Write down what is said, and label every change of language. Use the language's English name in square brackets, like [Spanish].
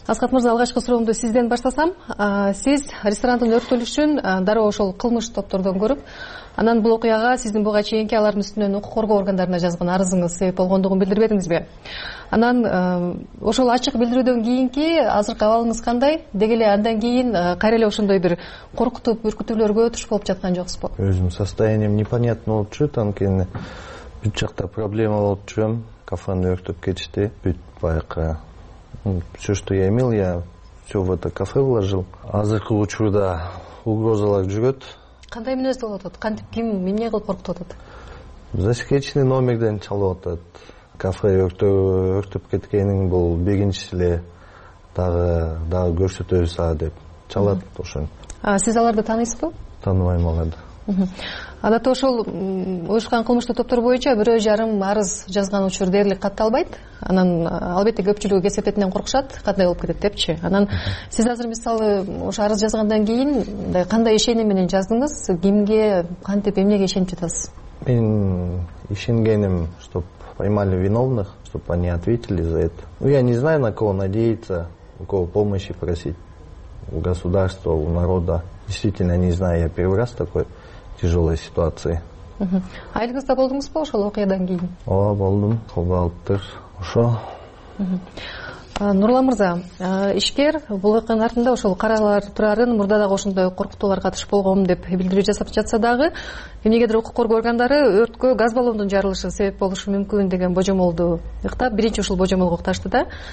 [Kyrgyz] Аскат мырза, алгачкы суроомду сизден баштасам, сиз ресторандын өрттөлүшүн дароо ошол кылмыш топтордон көрүп, анан бул окуяга сиздин буга чейинки алардын үстүнөн укук коргоо органдарына жазган арызыңыз себеп болгондугун билдирбедиңизби? Анан ошол ачык билдирүүдөн кийинки азыркы абалыңыз кандай? Деги эле андан кийин кайра эле ушундай бир коркутуп үркүтүүлөргө туш болуп жаткан жоксузбу? Өзүм [Russian] состоянием непонятно [Kyrgyz] болупчу, анткени бүт жакта проблема болупчу, кафены өрттөп кетишти, бүт баягы [Russian] все что я имел, я все в это кафе вложил. [Kyrgyz] Азыркы учурда угрозалар жүрөт. Кандай мүнөз болуп атат? Кантип, ким, эмне кылып коркутуп атат? Засекеченный номерден чалып атат. Кафе өрттөп кеткенин бул биринчиси эле, дагы көрсөтөбүз ага деп чалат ошону. Сиз аларды тааныйсызбы? Тааныбайм аларды. Адатта ошол уюшкан кылмыштуу топтор боюнча бирөө жарым арыз жазган учур дээрлик катталбайт. Анан албетте көпчүлүгү кесепетинен коркушат, кандай болуп кетет депчи. Анан сиз азыр мисалы ошо арыз жазгандан кийин мындай кандай ишеним менен жаздыңыз? Кимге, кантип, эмнеге ишенип жатасыз? Мен ишенгеним, [Russian] чтоб поймали виновных, чтоб они ответили за это. Ну я не знаю, на кого надеяться, у кого помощи просить, у государства, у народа. Действительно, не знаю, я первый раз такой тяжелой ситуации. [Kyrgyz] Айлыгызда болдуңузбу ошол окуядан кийин? Ооба, болдум. Колго алыптыр. Ошо. Нурлан мырза, ишкер бул окуянын артында ошол каралар турарын мурда дагы ошондой коркутууларга туш болгом деп билдирүү жасап жатса дагы, эмнегедир укук коргоо органдары өрткө газ баллондун жарылышы себеп болушу мүмкүн деген божомолду ыктап, биринчи ушул божомолго укташты да.